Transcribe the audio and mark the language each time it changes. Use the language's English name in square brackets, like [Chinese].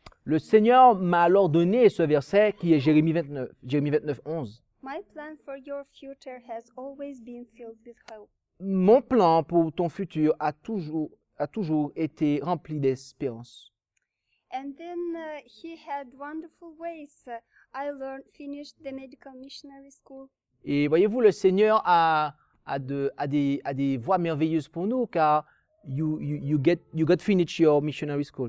[French] Le Seigneur m'a alors donné ce verset qui est Jérémie 29:11. [English] My plan for your future has always been filled with hope. [French] Mon plan pour ton futur a toujours été rempli d'espérance. [English] And then he had wonderful ways. I learned finished the medical missionary school. [French] Et voyez-vous, le Seigneur a des voies merveilleuses pour nous, car [English] you got finished your missionary school.